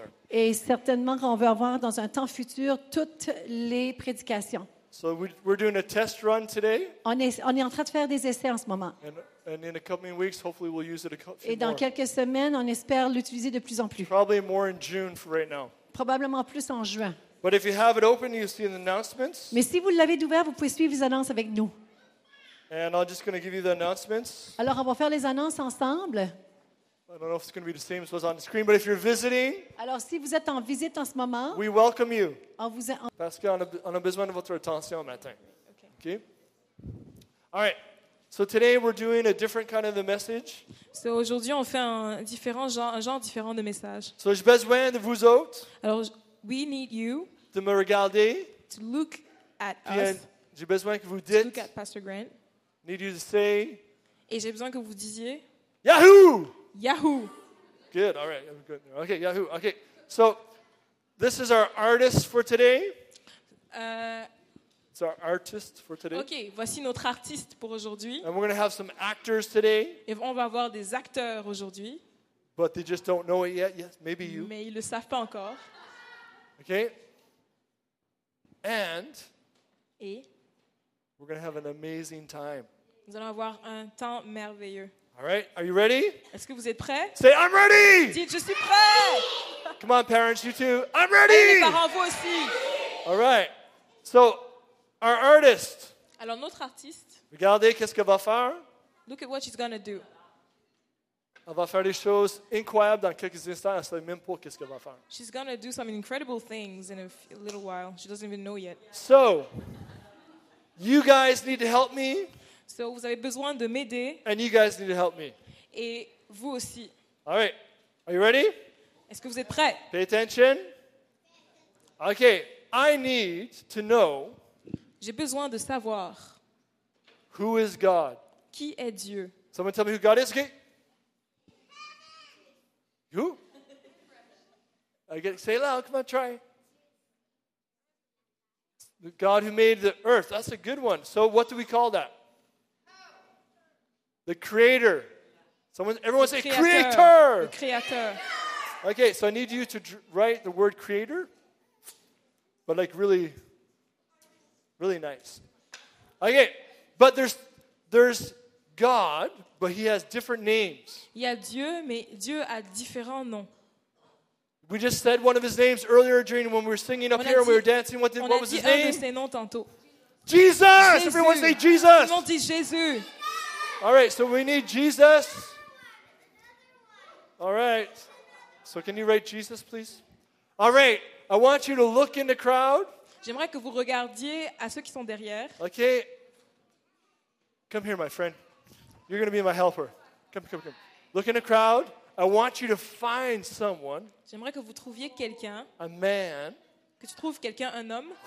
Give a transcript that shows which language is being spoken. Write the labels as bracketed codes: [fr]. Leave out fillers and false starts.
[fr] Et certainement, on va avoir dans un temps futur toutes les prédications. [en] So we're doing a test run today. [fr] On est en train de faire des essais en ce moment. [en] And in a coming weeks, hopefully we'll use it a few [fr] et dans [en] more. [fr] Quelques semaines, on espère l'utiliser de plus en plus. [en] Probably more in June for right now. [fr] Probablement plus en juin. [en] But if you have it open, you see the announcements. [fr] Mais si vous l'avez ouvert, vous pouvez suivre les annonces avec nous. [en] And I'm just going to give you the announcements. [fr] Alors, on va faire les annonces ensemble. [en] I don't know if it's going to be the same as what's on the screen, but if you're visiting, [fr] alors, si vous êtes en visite en ce moment, [en] we welcome you. [fr] On vous a... Parce qu'on a besoin de votre attention au matin. [en] Okay. Okay. All right. So today we're doing a different kind of a message. [fr] So aujourd'hui on fait un genre différent de message. So j'ai besoin de vous autres. [en] Alors, we need you. [fr] De me regarder. [en] To look at [fr] puis [en] us. [fr] J'ai besoin que vous dites. [en] To look at Pastor Grant. Need you to say. [fr] Et j'ai besoin que vous disiez. Yahoo! Yahoo! [en] Good, all right. Good. Okay, Yahoo. Okay, so this is our artist for today. It's our artist for today. [fr] Okay, voici notre artiste pour aujourd'hui. [en] And we're going to have some actors today. [fr] Et on va avoir des acteurs aujourd'hui. [en] But they just don't know it yet. Yes, maybe you. [fr] Mais ils le savent pas encore. [en] Okay. And. [fr] Et. [en] We're going to have an amazing time. [fr] Nous allons avoir un temps merveilleux. [en] All right, are you ready? [fr] Est-ce que vous êtes prêts? [en] Say, I'm ready! [fr] Dites, je suis prêt! [en] Come on, parents, you too. I'm ready! [fr] Et les parents, vous aussi. [en] All right. So, our artist. [fr] Alors, notre artiste. Regardez qu'est-ce qu'elle va faire. [en] Look at what she's going to do. [fr] Elle va faire des choses incroyables dans quelques instants. Elle ne sait même pas qu'est-ce qu'elle va faire. [en] She's going to do some incredible things in a little while. She doesn't even know yet. So, you guys need to help me. [fr] So, vous avez besoin de m'aider. [en] And you guys need to help me. [fr] Et vous aussi. [en] All right. Are you ready? [fr] Est-ce que vous êtes prêts? [en] Pay attention. Okay. I need to know. [fr] J'ai besoin de savoir. [en] Who is God? [fr] Qui est Dieu? [en] Someone tell me who God is, okay? Who? I get, say it loud, come on, try. The God who made the earth. That's a good one. So what do we call that? The creator. Someone, everyone say creator. [fr] Le créateur. [en] Okay, so I need you to write the word creator, but like really, really nice. Okay, but there's God, but he has different names. [fr] Il y a Dieu, mais Dieu a différents noms. [en] We just said one of his names earlier during when we were singing up here, [fr] dit, [en] and we were dancing. What, did, what was his name? [fr] On a dit un de ses noms tantôt. [en] Jesus! [fr] Jésus. [en] Everyone say Jesus! [fr] Tout le monde dit Jésus. [en] All right, so we need Jesus. All right. So can you write Jesus, please? All right, I want you to look in the crowd. [fr] J'aimerais que vous regardiez à ceux qui sont derrière. [en] Okay. Come here, my friend. You're going to be my helper. Come, come, come. Look in the crowd. I want you to find someone. [fr] J'aimerais que vous trouviez quelqu'un. [en] A man. [fr] Que tu trouves quelqu'un, un homme.